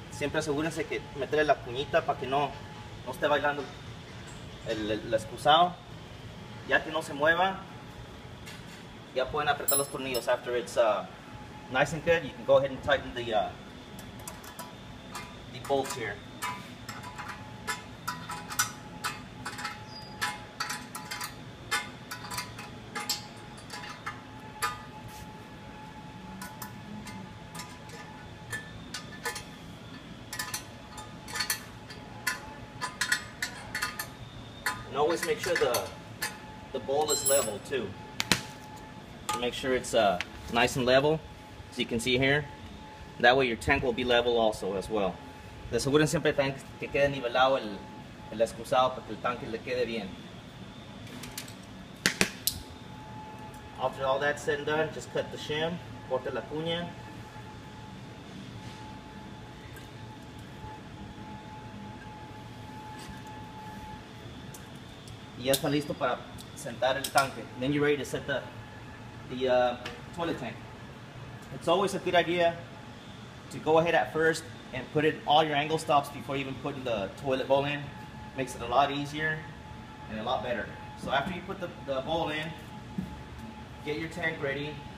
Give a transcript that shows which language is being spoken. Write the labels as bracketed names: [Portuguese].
[Spanish] Siempre asegúrense que meterle la cuñita para que no esté bailando el excusado. Ya que no se mueva, ya pueden apretar los tornillos. [English] After it's nice and good, you can go ahead and tighten the bolts here. Always make sure the bowl is level too. Make sure it's nice and level, as you can see here. That way your tank will be level also as well. [Spanish] Asegúren siempre que quede nivelado el excusado para que el tanque le quede bien. [English] After all that said and done, just cut the shim, [Spanish] corte la cuña. Y ya está listo para sentar el tanque. [English] Then you're ready to set the toilet tank. It's always a good idea to go ahead at first and put in all your angle stops before even putting the toilet bowl in. Makes it a lot easier and a lot better. So after you put the bowl in, get your tank ready.